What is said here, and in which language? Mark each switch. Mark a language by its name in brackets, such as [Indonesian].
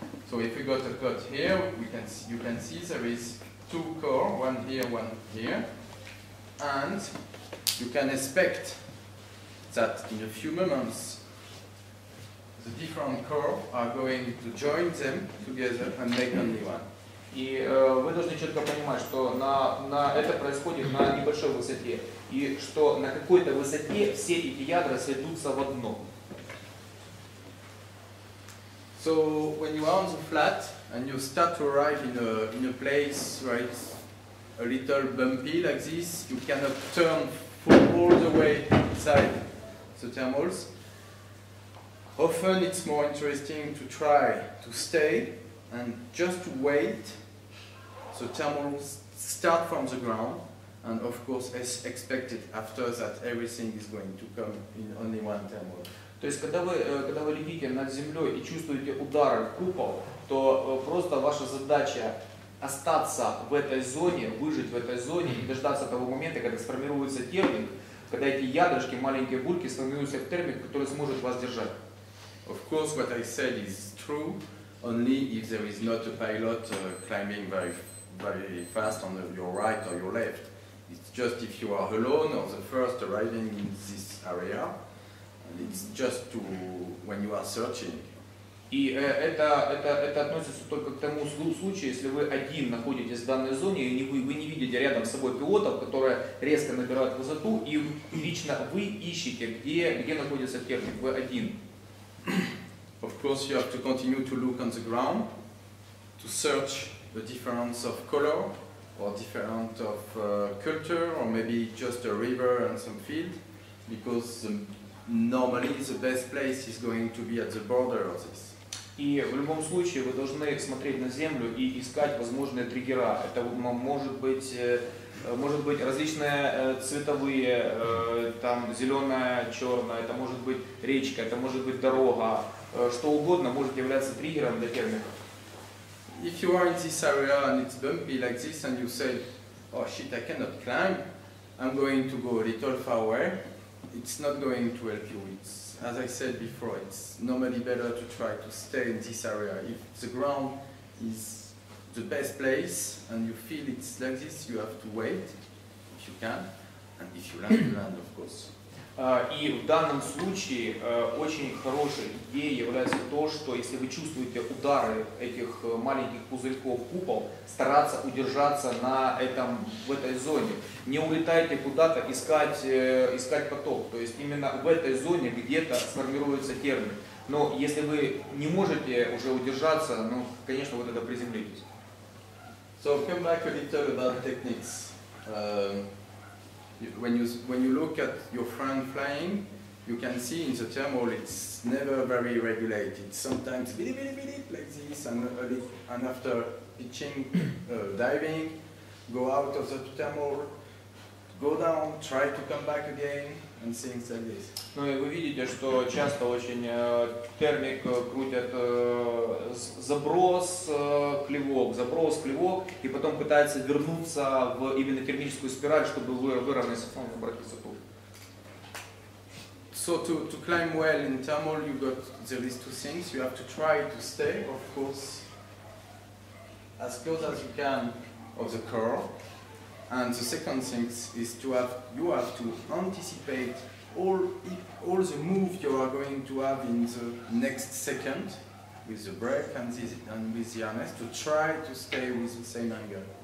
[English] So if we got a cut here, you can see there is 2 core, one here, and you can expect that in a few moments the different core are going to join them together and make only one. [Russian] И вы должны четко понимать, что на это происходит на небольшой высоте, и что на какой-то высоте все эти ядра сведутся в одно. [English] So when you are on the flat and you start to arrive in a place where it's a little bumpy like this, you cannot turn pull all the way inside the thermals. Often it's more interesting to try to stay and just to wait. So thermals start from the ground, and of course as expected after that everything is going to come in only one thermal. [Russian] То есть когда вы летите над землей и чувствуете удары купол, то просто ваша задача остаться в этой зоне, выжить в этой зоне и дождаться того момента, когда сформируется термик, когда эти ядрышки, маленькие бурки становятся в термик, который сможет вас держать. [English] Of course, what I said is true only if there is not a pilot climbing very fast on your right or your left. It's just if you are alone or the first arriving in this area. It's just to when you are searching. [Russian] И это относится только к тому случаю, если вы один находитесь в данной зоне и вы не видите рядом с собой пилотов, которые резко набирают высоту, и лично вы ищете, где находится термик, вы один. [English] Of course, you have to continue to look on the ground to search the difference of color or difference of culture or maybe just a river and some field, because normally the best place is going to be at the border of this. [Russian] И в любом случае вы должны смотреть на землю и искать возможные триггера. Это может быть различные цветовые, там зеленое, черное, это может быть речка, это может быть дорога, что угодно может являться триггером для термика. [English] If you are in this area and it's bumpy like this and you say, oh shit, I cannot climb, I'm going to go a little far away. It's not going to help you. It's, as I said before, it's normally better to try to stay in this area. If the ground is the best place and you feel it's like this, you have to wait, if you can, and if you land, you land, of course. [Russian] И в данном случае очень хорошей идеей является то, что если вы чувствуете удары этих маленьких пузырьков купол, стараться удержаться в этой зоне. Не улетайте куда-то искать поток. То есть именно в этой зоне где-то сформируется термик. Но если вы не можете уже удержаться, ну, конечно, вы тогда приземлитесь. [English] So come back a little about techniques. When you look at your friend flying, you can see in the thermal it's never very regulated. Sometimes like this, and after pitching, diving, go out of the thermal, go down, try to come back again, and things like this. [Russian] Ну и вы видите, что часто очень термик крутят заброс, клевок, и потом пытается вернуться в именно термическую спираль, чтобы выровнять обратиться тут. [English] So to climb well in thermal, you got there is two things. You have to try to stay, of course, as close as you can of the curve. And the second thing is you have to anticipate all the move you are going to have in the next second with the brake and with the harness to try to stay with the same angle.